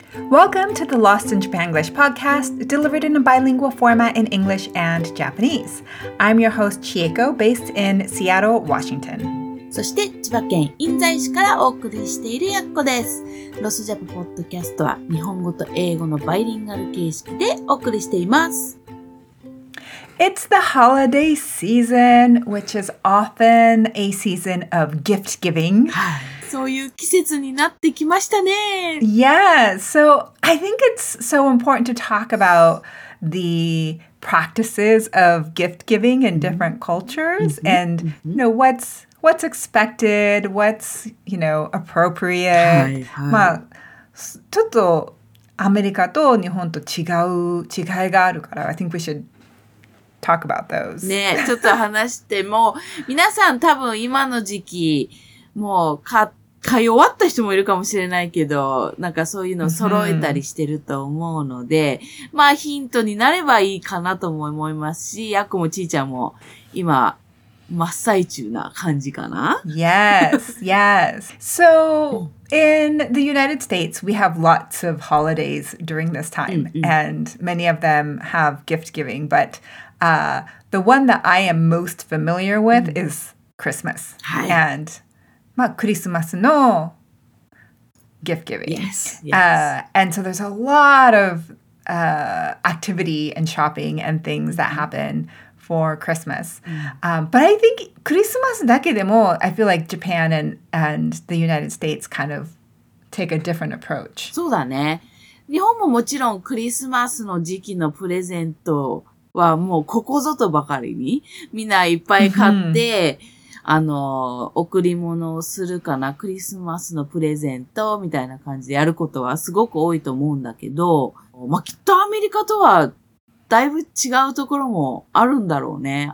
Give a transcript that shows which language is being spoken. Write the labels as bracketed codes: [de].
[en] Welcome to the Lost in Japan English podcast, delivered in a bilingual format in English and Japanese. I'm your host, Chieko, based in Seattle, Washington. [ja] そして千葉県印西市からお送りしているやっこです。ロスジャパポッドキャストは日本語と英語のバイリンガル形式でお送りしています。 [en] It's the holiday season, which is often a season of gift giving. [ja] そういう季節になってきましたね。 [en] Yeah, so I think it's so important to talk about the practices of gift giving in different cultures and you know, what's expected, what's, you know, appropriate. [ja] はい、はい、まあ、ちょっとアメリカと日本と違う違いがあるから、 [en] I think we should talk about those. [ja] ね、ちょっと話しても、皆さん多分今の時期、もう買い終わった人もいるかもしれないけど、なんかそういうの揃えたりしてると思うので、まあヒントになればいいかなとも思いますし、ヤクもちーちゃんも今、真っ最中な感じかな? [en] Yes, yes. So, in the United States, we have lots of holidays during this time, and many of them have gift giving, but the one that I am most familiar with is Christmas. [ja] And, まあ、クリスマスの gift giving. [en] Yes, yes. And so there's a lot of activity and shopping and things that happen for Christmas. But I think Christmas だけでも, I feel like Japan and the United States kind of take a different approach. [ja] そうだね。日本ももちろんクリスマスの時期のプレゼントはもうここぞとばかりにみんないっぱい買って、あの、贈り物をするかな、クリスマスのプレゼントみたいな感じでやることはすごく多いと思うんだけど、まあ、きっとアメリカとはだいぶ違うところもあるんだろうね。